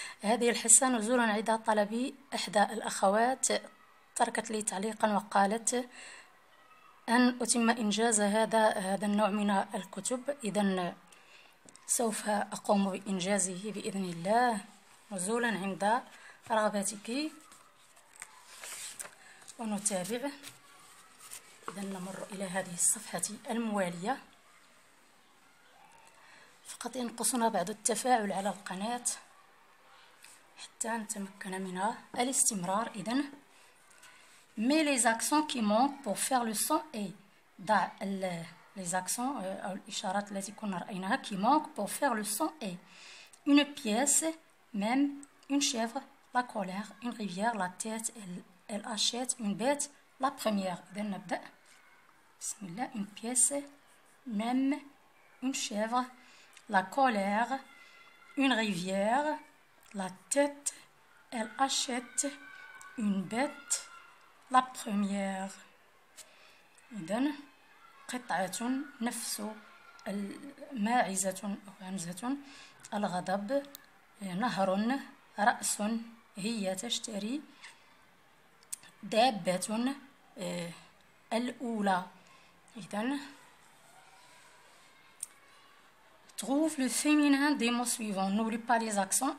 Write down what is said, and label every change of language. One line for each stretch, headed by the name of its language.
Arabic: هذه الحصة نزول عدا طلبي. إحدى الأخوات تركت لي تعليقا وقالت أن أتم إنجاز هذا النوع من الكتب، إذا سوف أقوم بإنجازه بإذن الله نزولا عند رغبتك ونتابع. إذا نمر إلى هذه الصفحة الموالية، فقط ينقصنا بعض التفاعل على القناة حتى نتمكن من الاستمرار. إذا
French: mets les accents qui manquent pour faire le son et
Arabic: ضع
French: les accents
Arabic: أو الإشارات التي كنا رأيناها
French: qui manquent pour faire le son et une pièce même une chèvre la colère une rivière la tête elle achète une bête la première.
Arabic: إذا نبدأ. بسم الله.
French: une pièce même une chèvre la colère une rivière la tête elle achète une bête la première.
Arabic: إذن قطعة نفس الماعزة أو همزة الغضب نهر رأس هي تشتري دابة الأولى. إذن
French: trouve le féminin des mots suivants. N'oublie pas les accents.